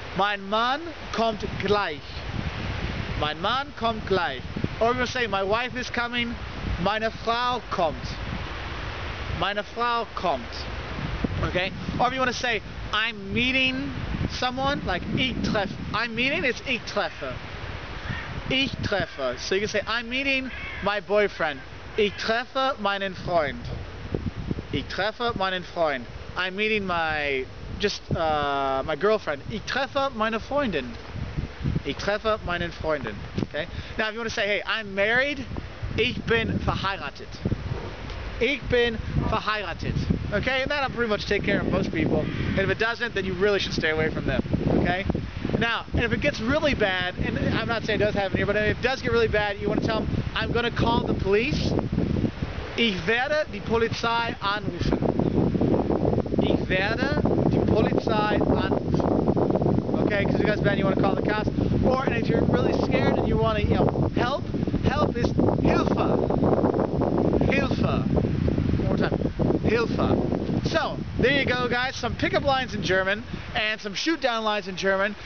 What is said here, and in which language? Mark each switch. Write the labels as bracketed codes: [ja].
[de] Mein Mann kommt gleich. Mein Mann kommt gleich. Or you will say, my wife is coming. Meine Frau kommt. meine Frau kommt. Okay? [en] Or if you want to say, I'm meeting someone, like ich treffe. [de] I'm meeting, it's ich treffe. Ich treffe. [en] So you can say, I'm meeting my boyfriend. [de] Ich treffe meinen Freund. Ich treffe meinen Freund. [en] I'm meeting my, just, my girlfriend. [de] Ich treffe meine Freundin. Ich treffe meinen Freundin. [en] Okay? Now, if you want to say, hey, I'm married, ich bin verheiratet. [de] Ich bin verheiratet. Okay? [en] And that'll pretty much take care of most people. And if it doesn't, then you really should stay away from them. Okay? Now, and if it gets really bad, and I'm not saying it does happen here, but if it does get really bad, you want to tell them, I'm going to call the police. [de] Ich werde die Polizei anrufen. Ich werde die Polizei anrufen. [en] Okay, because if it gets bad, you want to call the cops. Or, and if you're really scared and you want to, you know, help, help is Hilfe. Hilfe. One more time. Hilfe. So, there you go, guys. Some pickup lines in German and some shoot down lines in German.